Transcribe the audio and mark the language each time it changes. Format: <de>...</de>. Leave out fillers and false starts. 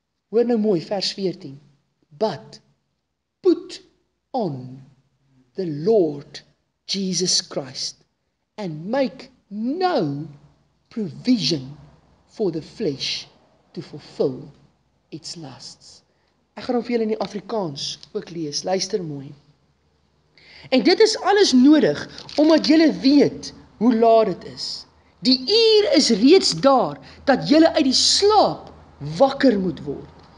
<af>Hoor nou mooi, vers 14.</af> <en>But put on the Lord Jesus Christ and make no provision for the flesh to fulfill its lusts.</en> <af>Ek gaan hom vir julle in die Afrikaans ook lees. Luister mooi. En dit is alles nodig omdat julle weet hoe laat het is. Die uur is reeds daar dat julle uit die slaap wakker moet word.</af>